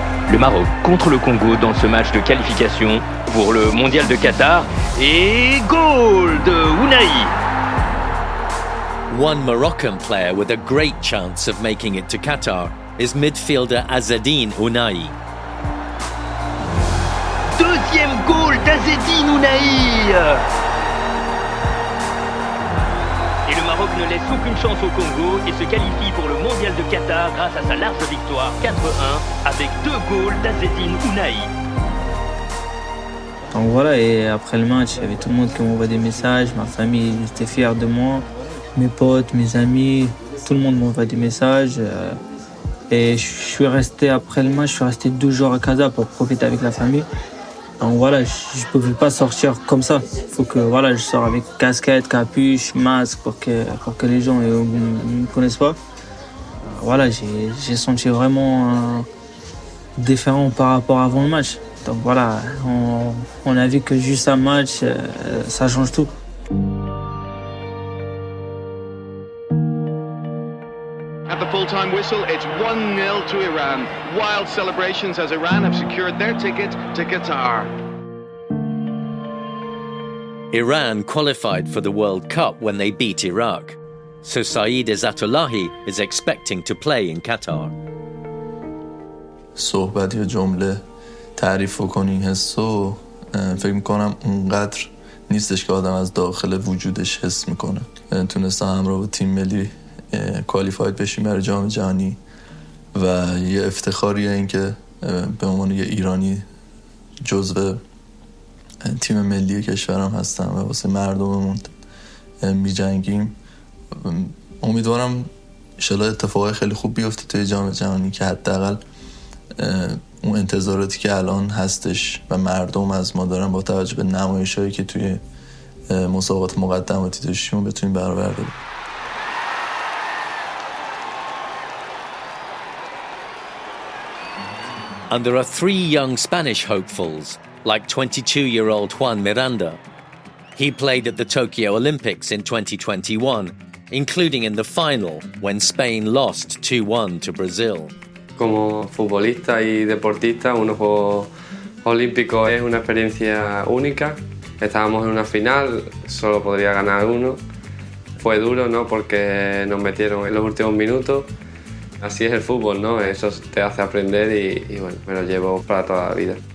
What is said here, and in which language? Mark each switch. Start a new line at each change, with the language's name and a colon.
French: Le Maroc contre le Congo dans ce match de qualification pour le Mondial de Qatar. Et goal de Unai.
English: One Moroccan player with a great chance of making it to Qatar is midfielder Azzedine Unai.
French: Deuxième goal d'Azzedine Unai. Et le Maroc ne laisse aucune chance au Congo et se qualifie pour le Mondial de Qatar grâce à sa large victoire 4-1 avec 2 goals d'Azzedine Unai. Donc voilà, et après le match, il y avait tout le monde qui m'envoie des messages, ma famille était fière de moi. Mes potes, mes amis, tout le monde m'envoie des messages. Et je suis resté après le match, je suis resté 2 jours à casa pour profiter avec la famille. Donc voilà, je ne pouvais pas sortir comme ça. Il faut que voilà, je sors avec casquette, capuche, masque pour que les gens ne me connaissent pas. Voilà, j'ai senti vraiment différent par rapport à avant le match. Donc voilà, on a vu que juste un match, ça change tout.
English: Time whistle, it's 1-0 to Iran. Wild celebrations as Iran have secured their ticket to Qatar. Iran qualified for the World Cup when they beat Iraq. So Saïd Ezatollahi is expecting to play in Qatar.
Persian: صحبت یا جمله تعریف کنی حسو فکر میکنم اونقدر نیستش که آدم از داخل وجودش حس میکنه. تونستم همراه با تیم ملی کوالیفاید بشیم برای جام جهانی و یه افتخاریه این که به عنوان یه ایرانی جزو تیم ملی کشورم هستم و واسه مردممون میجنگیم. امیدوارم ان شاءالله اتفاقای خیلی خوب بیفته توی جام جهانی که حداقل اون انتظاراتی که الان هستش و مردم از ما دارن با توجه به نمایشی که توی مسابقات مقدماتی داشتیم بتونیم برآورده بشه.
English: And there are three young Spanish hopefuls, like 22-year-old Juan Miranda. He played at the Tokyo Olympics in 2021, including in the final when Spain lost 2-1 to Brazil.
Spanish: Como futbolista y deportista, un juego olímpico es una experiencia única. Estábamos en una final, solo podría ganar uno. Fue duro, ¿no? Porque nos metieron en los últimos minutos. Así es el fútbol, ¿no? Eso te hace aprender y bueno, me lo llevo para toda la vida.